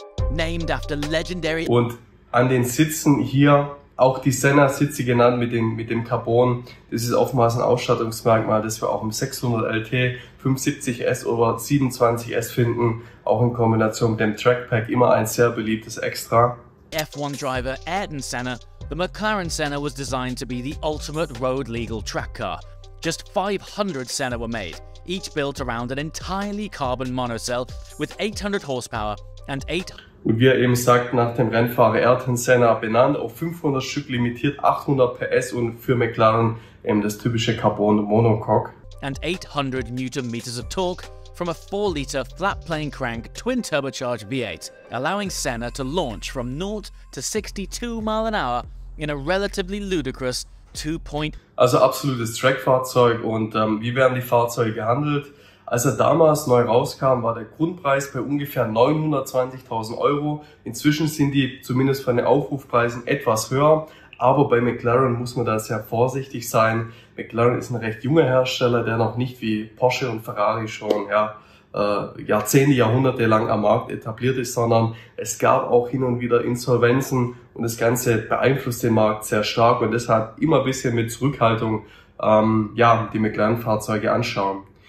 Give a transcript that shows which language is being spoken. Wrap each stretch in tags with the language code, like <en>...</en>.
<en>Named after legendary.</en> <de>Und an den Sitzen hier, auch die Senna-Sitze genannt mit dem Carbon. Das ist oftmals ein Ausstattungsmerkmal, das wir auch im 600 LT, 570S oder 27S finden. Auch in Kombination mit dem Trackpack, immer ein sehr beliebtes Extra.</de> <en>F1-Driver Ayrton Senna. The McLaren Senna was designed to be the ultimate road-legal track car. Just 500 Senna were made, each built around an entirely carbon monocell with 800 horsepower and 8.</en> <de>Und wie er eben sagt, nach dem Rennfahrer Ayrton Senna benannt, auf 500 Stück limitiert, 800 PS und für McLaren eben das typische Carbon Monocoque.</de> <en>And 800 Newton-meters of torque from a 4-liter flat-plane crank twin-turbocharged V8, allowing Senna to launch from 0 to 62 mile an hour in a relatively ludicrous 2.</en> <de>Also absolutes Track-Fahrzeug. Und wie werden die Fahrzeuge gehandelt? Als er damals neu rauskam, war der Grundpreis bei ungefähr 920.000 Euro. Inzwischen sind die zumindest von den Aufrufpreisen etwas höher. Aber bei McLaren muss man da sehr vorsichtig sein. McLaren ist ein recht junger Hersteller, der noch nicht wie Porsche und Ferrari schon Jahrzehnte, Jahrhunderte lang am Markt etabliert ist, sondern es gab auch hin und wieder Insolvenzen und das Ganze beeinflusst den Markt sehr stark und deshalb immer ein bisschen mit Zurückhaltung die McLaren-Fahrzeuge anschauen.</de>